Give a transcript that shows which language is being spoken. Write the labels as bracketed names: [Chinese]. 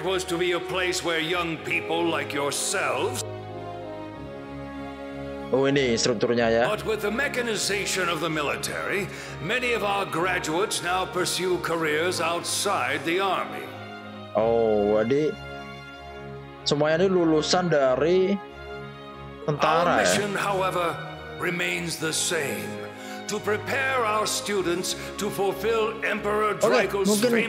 [English] was to be a place where young people like yourselves. [Indonesian] Oh, ini strukturnya ya. [English] But with the mechanization of the military, many of our graduates now pursue careers outside the army. [Indonesian] Oh, jadi semuanya ini lulusan dari tentara. [English] Our mission, however, remains the same. To prepare our students to fulfill Emperor Draco's famous mandate.